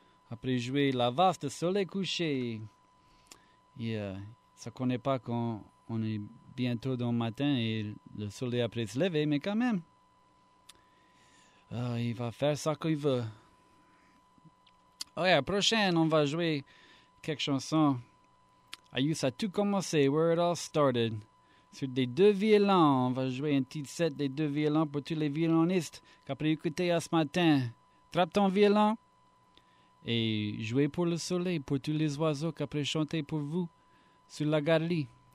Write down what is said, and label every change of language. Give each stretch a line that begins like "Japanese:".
French: Après jouer La Vaste Soleil Couché. Ça ne connaît pas quand on est bientôt dans le matin et le soleil après se lever, mais quand même. Il va faire ça qu'il veut. Oh, yeah, prochaine, on va jouer quelques chansons.
English: I used to commence, where it all started.
French: Sur des deux violons, on va jouer un petit set des deux violons pour tous les violonistes qu'après écouter ce matin. Trappe ton violon et jouez pour le soleil, pour tous les oiseaux qu'après chanter pour vous sur la galerie.